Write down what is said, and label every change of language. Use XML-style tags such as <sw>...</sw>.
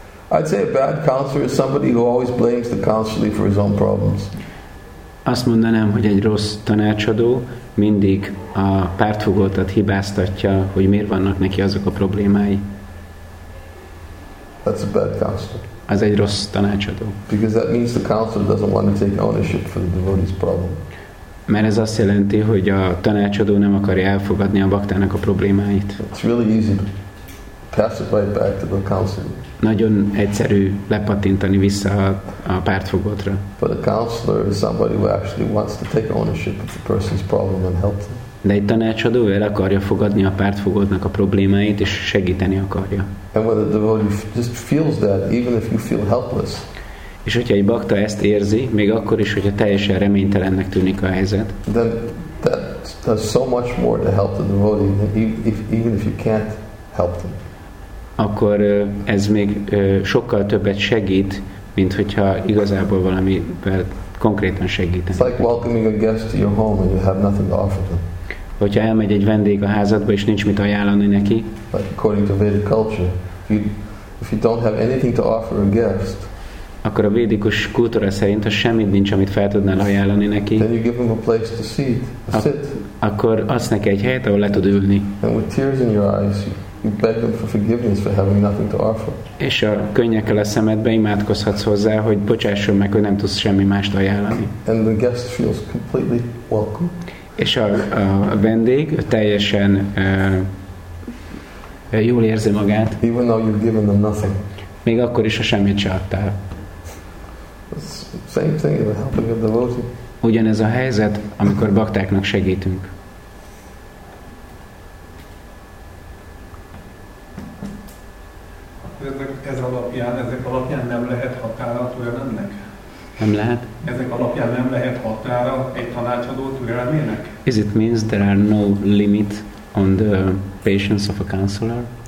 <en>I'd say a bad counselor is somebody who always blames the counselor for his own problems.</en> <hu>Azt mondanám, hogy egy rossz tanácsadó mindig a pártfogoltat hibáztatja, hogy miért vannak neki azok a problémái.</hu> <en>That's a bad counselor.</en> <hu>Az egy rossz tanácsadó.</hu> <en>Because that means the counselor doesn't want to take ownership for the devotee's problem.</en> <hu>Mert ez azt jelenti, hogy a tanácsadó nem akarja elfogadni a baktának a problémáit.</hu> <en>It's really easy to pass it right back to the counselor.</en> <hu>Nagyon egyszerű lepatintani vissza a pártfogótra.</hu> <en>But a counselor is somebody who actually wants to take ownership of the person's problem and help them.</en> <hu>De egy tanácsadó el akarja fogadni a pártfogódnak a problémáit, és segíteni akarja.</hu> <en>And when the devotee just feels that, even if you feel helpless.</en> <hu>És hogyha egy bakta ezt érzi, még akkor is, hogyha teljesen reménytelennek tűnik a helyzet.</hu> <en>Then that does so much more to help the devotee, even if you can't help them.</en> <hu>akkor ez még sokkal többet segít, mint hogyha igazából valamivel konkrétan segíteni.</hu> <en>It's like welcoming a guest to your home and you have nothing to offer them.</en> <hu>Hogyha elmegy egy vendég a házadba, és nincs mit ajánlani neki.</hu> <en>Like according to Vedic culture, if you don't have anything to offer a guest,</en> <hu>akkor a védikus kultúra szerint, ha semmit nincs, amit fel tudnál ajánlani neki,</hu> <en>then you give him a place to sit.</en> <hu>Akkor adsz neki egy helyet, ahol le tud ülni.</hu> <en>And with tears in your eyes, you beg them for forgiveness for having nothing to offer.</en> <hu>És a könnyekkel a szemedbe imádkozhatsz hozzá, hogy bocsásson meg, hogy nem tudsz semmi mást ajánlani.</hu> <en>And the guest feels completely welcome.</en> <hu>És a vendég teljesen jól érzi magát.</hu> <en>Even though you've given them nothing.</en> <hu>Még akkor is, ha semmit se adtál.</hu> <en>Same thing with helping a devotee.</en> <hu>Ugyanez a helyzet, amikor baktáknak segítünk. Ezek alapján nem lehet határa a türelemnek? Nem lehet. Ezek alapján nem lehet határa egy tanácsadó türelmének?</hu> <en>Is it means there are no limit on the patience of a counselor?</en>